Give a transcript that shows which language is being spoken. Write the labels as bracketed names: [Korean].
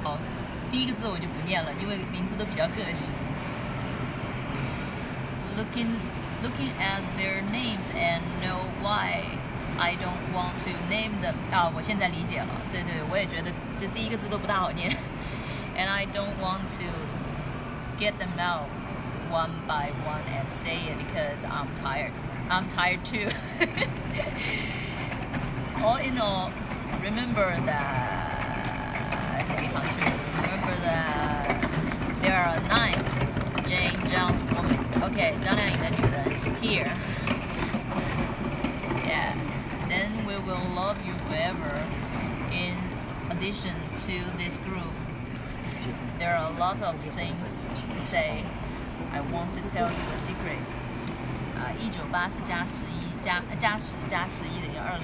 [Chinese] 好，第一个字我就不念了，因为名字都比较个性。 [English] Looking at their names and know why I don't want to name them. [Chinese] 啊，我现在理解了。对对，我也觉得这第一个字都不大好念。 [English] And I don't want to get them out one by one and say it because I'm tired. I'm tired too. All in all, remember that there are nine Jane Zhang's women. Okay, [Chinese] 张靓颖的女人 [English] here. Yeah, then we will love you forever. In addition to this group, there are a lot of things to say. I want to tell you a secret. [Chinese] 1984加十一加十加十一等于2005.